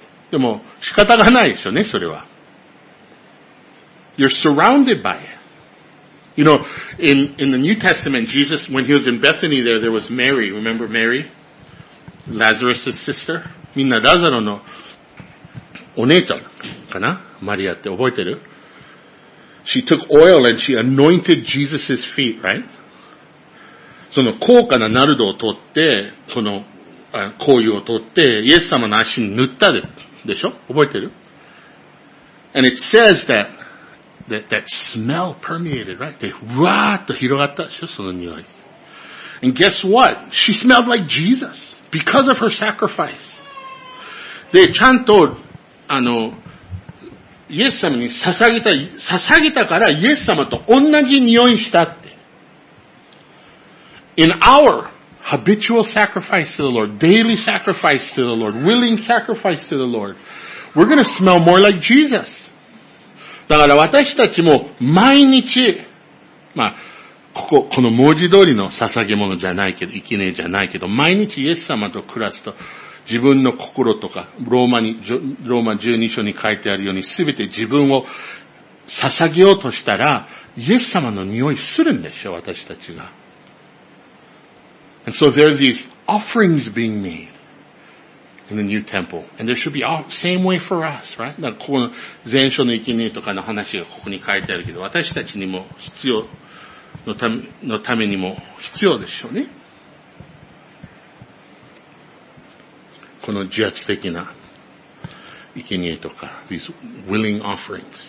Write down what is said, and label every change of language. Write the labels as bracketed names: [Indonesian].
[Japanese] でも仕方がないでしょうね、それは。 [English] You're surrounded by it. You know, in the New Testament, Jesus, when he was in Bethany there, there was Mary. Remember Mary? Lazarus' sister? [Japanese] みんなラザロのお姉ちゃんかな? マリアって覚えてる? [English] She took oil and she anointed Jesus' feet, right? [Japanese] その高価なナルドを取って、その香油を取って、イエス様の足に塗ったでしょ? 覚えてる? [English] And it says that smell permeated, right? [Japanese] で、うわーっと広がったでしょ? その匂い。 [English] And guess what? She smelled like Jesus because of her sacrifice. [Japanese] で、ちゃんとイエス様に捧げたからイエス様と同じ匂いしたって。 [English] In our habitual sacrifice to the Lord, daily sacrifice to the Lord, willing sacrifice to the Lord, we're gonna smell more like Jesus. [Japanese] だから私たちも毎日、まあ、この文字通りの捧げ物じゃないけど、生贄じゃないけど、毎日イエス様と暮らすと、自分の心とか、ローマ12章に書いてあるように、すべて自分を捧げようとしたら、イエス様の匂いするんでしょ、私たちが。 [English] And so there are these offerings being made in the new temple. And there should be the same way for us, right? [Japanese] だからここの前書の生贄とかの話がここに書いてあるけど、私たちにも必要のためにも必要でしょうね。この自発的な生贄とか [English] these willing offerings.